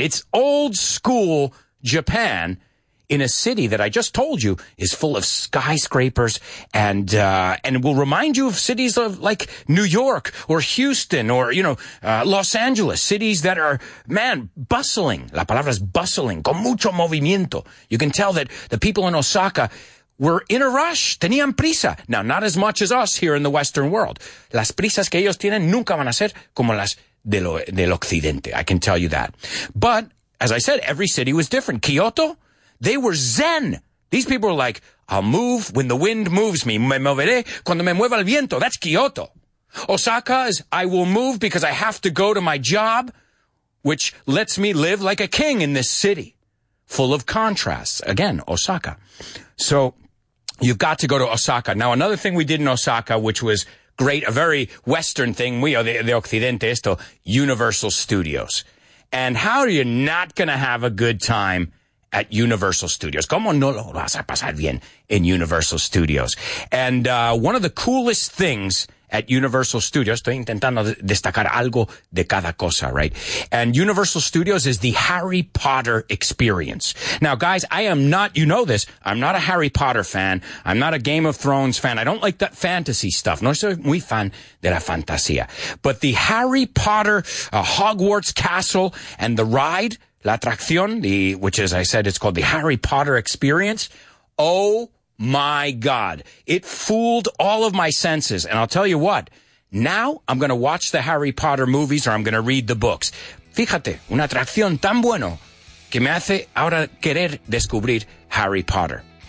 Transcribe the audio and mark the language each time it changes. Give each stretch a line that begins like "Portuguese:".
English: It's old school Japan. In a city that I just told you is full of skyscrapers and will remind you of cities of like New York or Houston or, you know, Los Angeles, cities that are, man, bustling.
Spanish: La palabra es bustling. Con mucho movimiento.
English: You can tell that the people in Osaka were in a rush.
Spanish: Tenían prisa.
English: Now, not as much as us here in the Western world.
Spanish: Las prisas que ellos tienen nunca van a ser como las del Occidente.
English: I can tell you that. But as I said, every city was different. Kyoto, they were zen. These people were like, I'll move when the wind moves me.
Spanish: Me moveré cuando me mueva el viento.
English: That's Kyoto. Osaka is, I will move because I have to go to my job, which lets me live like a king in this city. Full of contrasts. Again, Osaka. So you've got to go to Osaka. Now, another thing we did in Osaka, which was great, a very Western thing, we are the Occidente, esto, Universal Studios. And how are you not going to have a good time at Universal Studios?
Spanish: ¿Cómo no lo vas a pasar bien in Universal Studios?
English: And one of the coolest things at Universal Studios,
Spanish: estoy intentando destacar algo de cada cosa,
English: right? And Universal Studios is the Harry Potter experience. Now, guys, I am not, you know this, I'm not a Harry Potter fan. I'm not a Game of Thrones fan. I don't like that fantasy stuff.
Spanish: No soy muy fan de la fantasía.
English: But the Harry Potter Hogwarts castle and the ride, La Atracción, which, as I said, it's called the Harry Potter Experience. Oh, my God. It fooled all of my senses. And I'll tell you what. Now I'm going to watch the Harry Potter movies or I'm going to read the books.
Spanish: Fíjate, una atracción tan bueno que me hace ahora querer descubrir Harry Potter.